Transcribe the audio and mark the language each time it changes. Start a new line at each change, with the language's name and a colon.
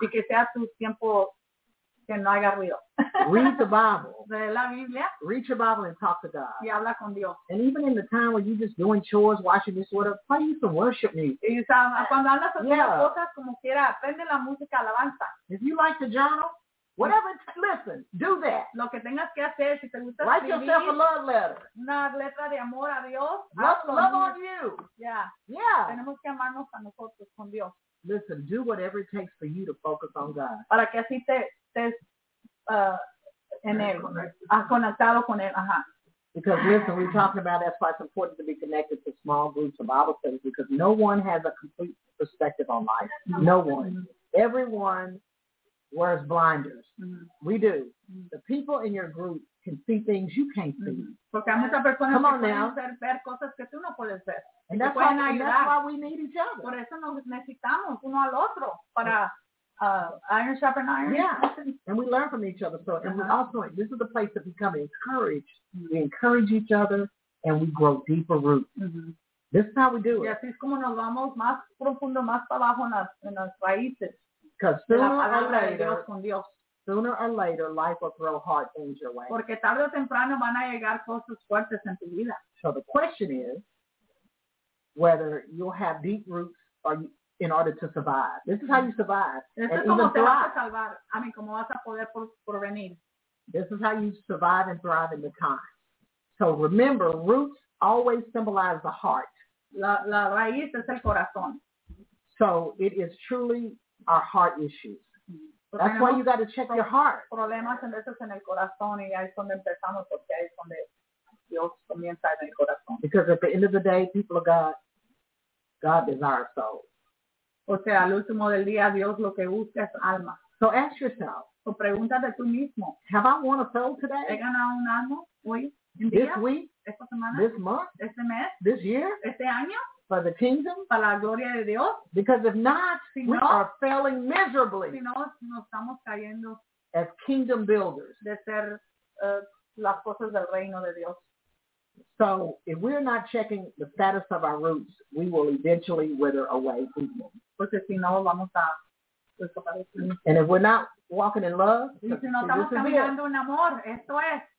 Spanish: Y que sea tu tiempo que no haga ruido.
English: Read the Bible.
Spanish: De la Biblia.
English: Read your Bible and talk to God.
Spanish: Y habla con Dios.
English: And even in the time when you're just doing chores, washing this water, play you some worship music.
Spanish: Y, cuando andas haciendo cosas como quiera, prende la música alabanza.
English: If you like to journal, whatever, listen, do that.
Spanish: Lo que tengas que hacer, si te gusta
English: write yourself a love letter.
Spanish: Una letra de amor a Dios.
English: Love on you.
Spanish: Yeah. Tenemos que amarnos a nosotros con Dios.
English: Listen, do whatever it takes for you to focus on God.
Spanish: Para que así te estés en Él. Conectado con Él, ajá.
English: Because listen, we're talking about that's why it's important to be connected to small groups of Bible studies because no one has a complete perspective on life. No one. Everyone wears blinders. Mm-hmm. We do. Mm-hmm. The people in your group can see things you can't see. Mm-hmm. Come on now.
Spanish: Ver cosas que tú no puedes ver.
English: And that's why, we need each other.
Spanish: Por eso nos necesitamos uno al otro para
English: iron sharpen iron. Yeah. And we learn from each other. So, and we also, this is the place to become encouraged. Mm-hmm. We encourage each other and we grow deeper roots. Mm-hmm. This is how we do it.
Spanish: Y así es como nos vamos más profundo, más abajo en las raíces.
English: Because sooner or later, life will throw hard things your way.
Spanish: Porque tarde o temprano van a llegar cosas fuertes en tu vida.
English: So the question is whether you'll have deep roots or in order to survive. This is how you survive. This is how you survive and thrive in the time. So remember, roots always symbolize the heart.
Spanish: La raíz es el corazón.
English: So it is truly our heart issues. That's why you got to check your heart.
Spanish: Problemas en veces en el corazón y ahí es donde empezamos porque ahí es donde Dios comienza en el corazón.
English: Because at the end of the day, people of God desires souls.
Spanish: O sea, al último del día, Dios lo que busca es alma.
English: So ask yourself.
Spanish: O pregúntate tú mismo.
English: Have I won a soul today?
Spanish: ¿He ganado un alma hoy?
English: This week?
Spanish: Esta semana?
English: This month?
Spanish: Este mes?
English: This year?
Spanish: Este año?
English: For the kingdom,
Spanish: para la gloria de Dios.
English: Because if not, we are failing miserably.
Spanish: Si no, nos estamos cayendo.
English: As kingdom builders,
Spanish: de ser las cosas del reino de Dios.
English: So if we are not checking the status of our roots, we will eventually wither away.
Spanish: Porque si no, vamos a desaparecer.
English: And if we're not walking in love,
Spanish: y si no estamos caminando en amor, esto es.